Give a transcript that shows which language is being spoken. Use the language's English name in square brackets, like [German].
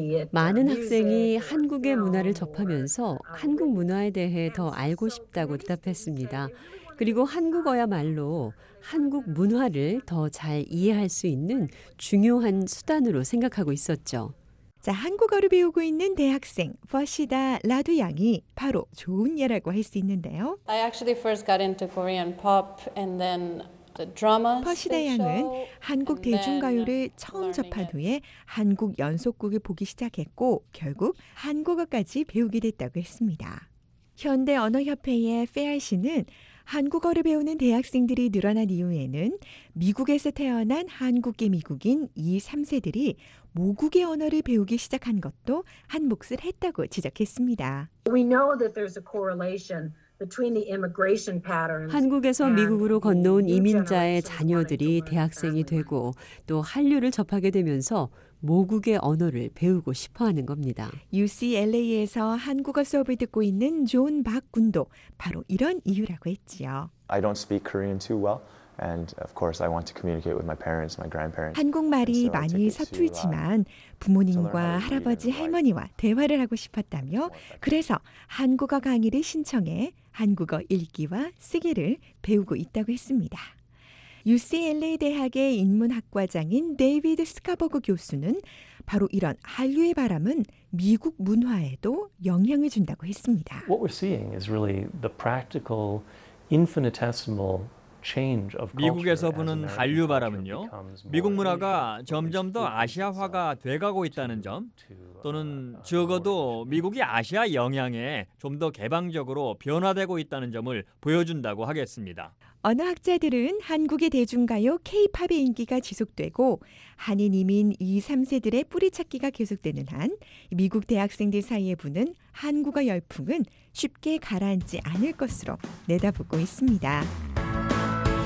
[Korean] 많은 학생이 한국의 문화를 접하면서 한국 문화에 대해 더 알고 싶다고 대답했습니다. 그리고 한국어야말로 한국 문화를 더 잘 이해할 수 있는 중요한 수단으로 생각하고 있었죠. 자, 한국어를 배우고 있는 대학생 퍼시다 라두 양이 바로 좋은 예라고 할 수 있는데요. [English] I actually first got into Korean pop and then [Korean] 퍼시다양은 한국 대중가요를 처음 접한 후에 한국 연속곡을 보기 시작했고 결국 한국어까지 배우게 됐다고 했습니다. 현대언어협회의 페알 씨는 한국어를 배우는 대학생들이 늘어난 이유에는 미국에서 태어난 한국계 미국인 2, 3세들이 모국의 언어를 배우기 시작한 것도 한 몫을 했다고 지적했습니다. [English] We know that there's a correlation. [Korean] 한국에서 미국으로 건너온 이민자의 자녀들이 대학생이 되고 또 한류를 접하게 되면서 모국의 언어를 배우고 싶어하는 겁니다. UCLA에서 한국어 수업을 듣고 있는 존 박 군도 바로 이런 이유라고 했지요. [English] I don't speak Korean too well. And of course, I want to communicate with my parents, my grandparents. [Korean] 한국말이 많이 서툴지만 부모님과 할아버지 할머니와 대화를 하고 싶었다며 그래서 한국어 강의를 신청해 한국어 읽기와 쓰기를 배우고 있다고 했습니다. UCLA 대학의 인문학과장인 데이비드 스카버그 교수는 바로 이런 한류의 바람은 미국 문화에도 영향을 준다고 했습니다. [English] What we're seeing is really the practical, infinitesimal. [Korean] 미국에서 보는 한류 바람은요, 미국 문화가 점점 더 아시아화가 돼가고 있다는 점, 또는 적어도 미국이 아시아 영향에 좀 더 개방적으로 변화되고 있다는 점을 보여준다고 하겠습니다. 언어학자들은 한국의 대중가요 K-POP의 인기가 지속되고 한인 이민 2, 3세들의 뿌리찾기가 계속되는 한 미국 대학생들 사이에 부는 한국어 열풍은 쉽게 가라앉지 않을 것으로 내다보고 있습니다.